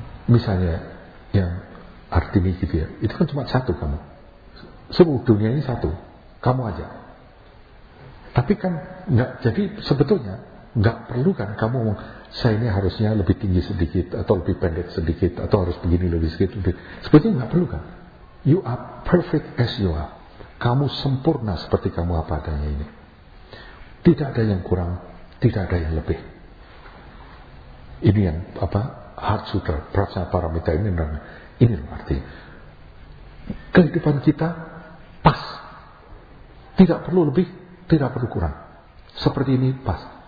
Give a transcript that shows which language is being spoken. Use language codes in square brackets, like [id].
[id] Misalnya yang Artini gitu ya, itu kan cuma satu kamu. Seluruh dunia ini satu, kamu aja. Tapi kan nggak, jadi sebetulnya nggak perlu kan kamu ngomong, saya ini harusnya lebih tinggi sedikit atau lebih pendek sedikit atau harus begini lebih sedikit. Lebih. Sebetulnya nggak perlu kan. [en] You are perfect as you are. [id] Kamu sempurna seperti kamu apa adanya ini. Tidak ada yang kurang, tidak ada yang lebih. Ini yang apa? Heart Sutra, Prajna Paramita ini namanya. Ini artinya kehidupan kita pas, tidak perlu lebih, tidak perlu kurang, seperti ini pas.